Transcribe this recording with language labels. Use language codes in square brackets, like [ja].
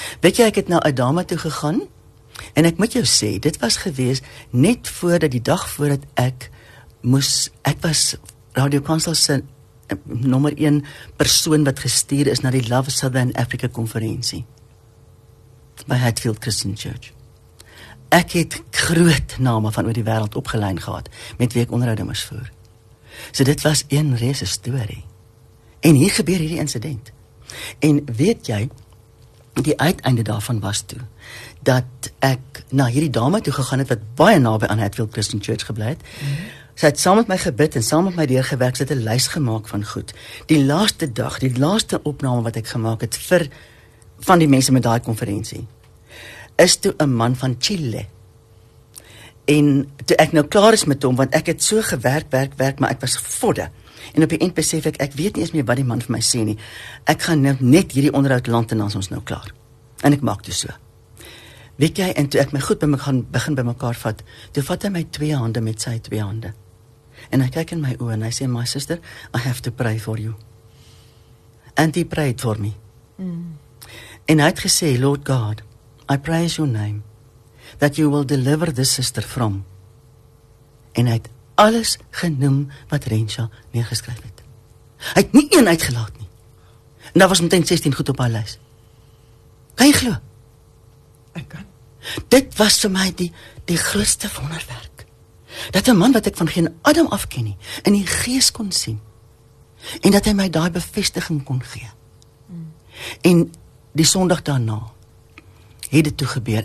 [af] Weet jy, ek het na 'n dame toe gegaan, en ek moet jou sê, dit was gewees net voordat die dag voordat ek moes, ek was Radio Kansel se nommer 1 persoon wat gestuur is na die Love Southern Africa konferensie, by Hatfield Christian Church. Ek het groot name van oor die wêreld opgelyn gehad, met wie ek onderhoude moes voer. So dit was een reuse storie. En hier gebeur hierdie incident. En weet jy, die uiteinde daarvan was toe, dat ek na hierdie dame toe gegaan het, wat baie naby aan Hatfield Christian Church geblei het. Sy het saam met my gebid en saam met my deurgewerk, sy het 'n lys gemaak van goed. Die laaste dag, die laaste opname wat ek gemaak het vir van die mense met daai konferensie, is toe 'n man van Chile. En toe ek nou klaar is met hom, want ek het so gewerk, werk, maar ek was vodde. En op die eind besef ek, ek weet nie eens meer wat die man vir my sê nie. Ek gaan nou net hierdie onderhoud land en dan is ons nou klaar. En ek maak toe so. Weet jy, en toe ek my goed by my gaan begin by mekaar vat, toe vat hy my twee hande met sy twee hande. En hy kyk in my oë en hy sê, [en] my sister, I have to pray for you. And he prayed for me. Mm. [af] En hy het gesê, [en] Lord God, I praise your name, that you will deliver this sister from. [af] En hy het alles genoem wat Rensha neergeskryf het. Hy het nie een uitgelaat nie. En daar was omtrent 16 goed op haar lys. Kan jy glo? Ek kan. Dit was vir my die grootste wonderwerk. Dat 'n man wat ek van geen Adam af ken nie, in die gees kon sien. En dat hy my daai bevestiging kon gee. Mm. En die Sondag daarna het dit toe gebeur.